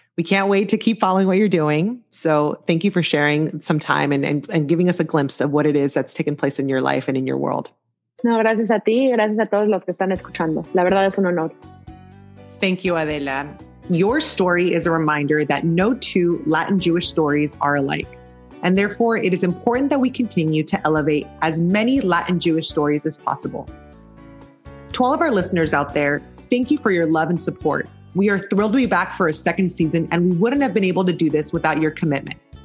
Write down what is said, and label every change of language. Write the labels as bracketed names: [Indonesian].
[English] We can't wait to keep following what you're doing. So thank you for sharing some time and giving us a glimpse of what it is that's taken place in your life and in your world. [Spanish] No, gracias a ti y gracias a todos los que están escuchando. La verdad es un honor. [English] Thank you, Adela. Your story is a reminder that no two Latin Jewish stories are alike. And therefore, it is important that we continue to elevate as many Latin Jewish stories as possible. To all of our listeners out there, thank you for your love and support. We are thrilled to be back for a second season, and we wouldn't have been able to do this without your commitment.